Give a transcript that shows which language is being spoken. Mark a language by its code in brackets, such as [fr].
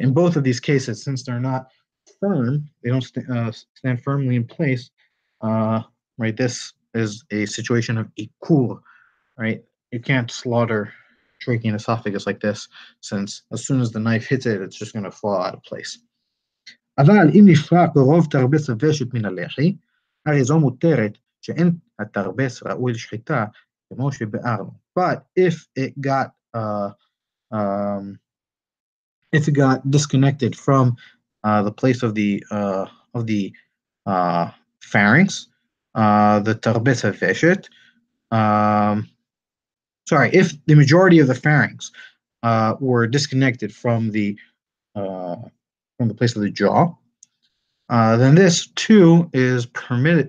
[en] In both of these cases, since they're not firm, they don't stand firmly in place. Right? This is a situation of ikur. Right? You can't slaughter trachea and esophagus like this, since as soon as the knife hits it, it's just going to fall out of place. [he] אבל אם נפרק רוב תרבס ושת מן הלחי, הרי זו מותרת. [en] But if it got disconnected from the place of the pharynx, the tarbes haveshet, if the majority of the pharynx were disconnected from the place of the jaw, then this too is permitted.